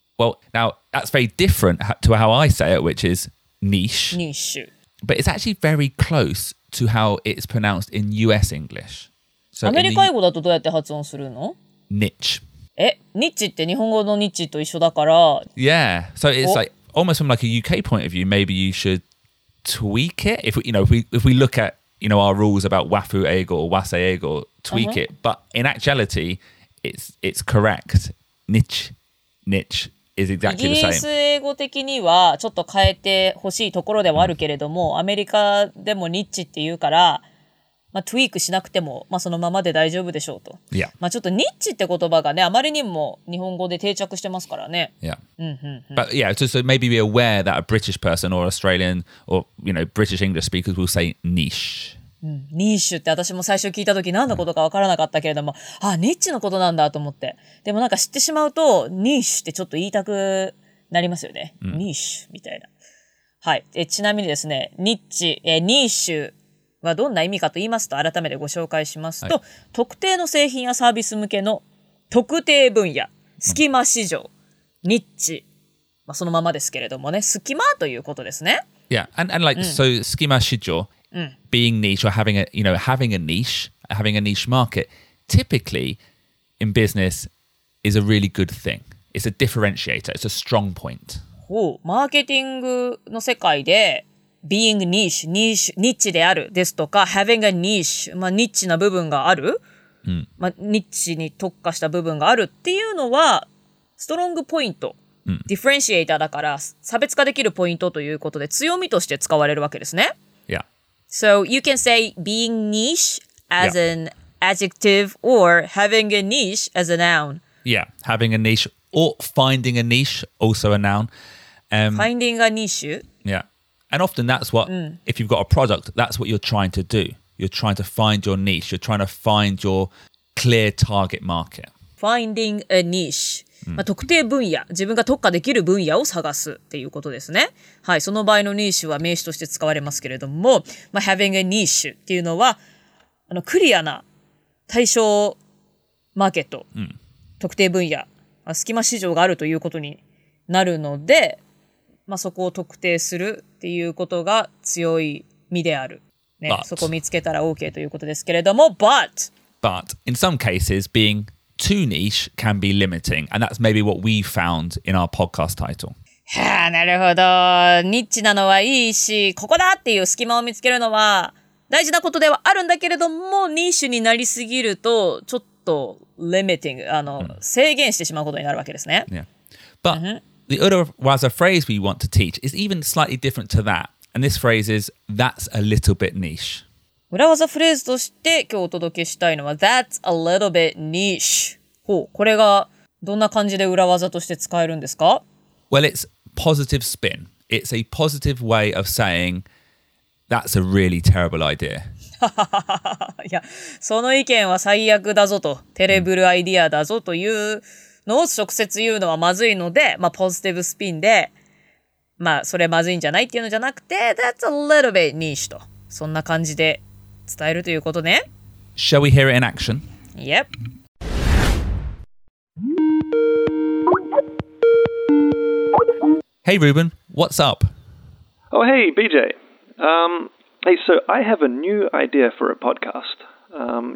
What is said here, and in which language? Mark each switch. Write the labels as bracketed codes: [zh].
[en] Well, now, that's very different to how I say it, which is niche. Niche. But it's actually very close to how it's pronounced in US English. [ja] So アメリカ英語だとどうやって発音するの? [en] Niche. [ja] え、ニッチって日本語のニッチと一緒だから。 [en] Yeah, so it's like almost from like a UK point of view. Maybe you should tweak it if we, you know, if we look at you know our rules about wafu ego or wase ego, tweak、uh-huh. it. But in actuality, it's correct. Niche is exactly the same. [ja] イギリス英語的にはちょっと変えてほしいところではあるけれども、アメリカでもニッチって言うから。まあ、トゥイークしなくても、まあ、そのままで大丈夫でしょうと。いや。まあ、ちょっとニッチって言葉がね、あまりにも日本語で定着してますからね。いや。 [en] But yeah, so maybe be aware that a British person or Australian or, you know, British English speakers will say niche.、 [ja] うん、ニッシュって私も最初聞いた時何のことかわからなかったけれども、あ、ニッチのことなんだと思って。でもなんか知ってしまうと、ニッシュってちょっと言いたくなりますよね。うん、ニッシュみたいな。はい。ちなみにですね、ニッチ、ニッシュ。はどんな意味かと言いますと改めてご紹介しますと、はい、特定の製品やサービス向けの特定分野隙間市場、うん、ニッチ、まあ、そのままですけれどもね隙間ということですね [en] Yeah and like、うん、so 隙間市場、 [ja] うん、 [en] being niche or having a you know having a niche market typically in business is a really good thing it's a differentiator it's a strong point [ja] ほうマーケティングの世界で [en] Being niche, niche, niche [ja] であるですとか [en] having a niche, [ja] まあニッチな部分がある、うんまあ、ニッチに特化した部分があるっていうのはストロングポイント、うん、 differentiator だから差別化できるポイントということで強みとして使われるわけですね。 [en] Yeah. So you can say being niche as、yeah. an adjective or having a niche as a noun. Yeah, having a niche or finding a niche, also a noun.、 Finding a niche. Yeah. And often that's what,、うん、if you've got a product, that's what you're trying to do. You're trying to find your niche. You're trying to find your clear target market. Finding a niche.、 [ja] うんまあ、特定分野、自分が特化できる分野を探すっていうことですね。はい、その場合のニッシュは名詞として使われますけれども、まあ、 [en] having a niche [ja] っていうのは、あのクリアな対象マーケット、うん、特定分野、まあ、隙間市場があるということになるので、まあ、そこを特定するっていうことが強い身である、ね、 [en] but, [ja] そこを見つけたら OK ということですけれども But [en] But in some cases being too niche can be limiting and that's maybe what we found in our podcast title [ja] はあなるほどニッチなのはいいしここだっていう隙間を見つけるのは大事なことではあるんだけれどもニッシュになりすぎるとちょっと limiting あの、mm. 制限してしまうことになるわけですね [en] Yeah But、mm-hmm. The other was a phrase we want to teach is even slightly different to that. And this phrase is, that's a little bit niche. [ja] 裏技フレーズとして今日お届けしたいのは [en] that's a little bit niche. [ja] ほう、これがどんな感じで裏技として使えるんですか? [en] Well, it's positive spin. It's a positive way of saying, that's a really terrible idea. [ja] いや、その意見は最悪だぞと、テレブルアイディアだぞという、のを直接言うのはまずいので、まあ、ポジティブスピンで、まあ、それまずいんじゃないっていうのじゃなくて、 [en] That's a little bit niche [ja] と、そんな感じで伝えるということね。 [en] Shall we hear it in action? Yep. Hey, Ruben, what's up? Oh, hey, BJ. Hey, so I have a new idea for a podcast.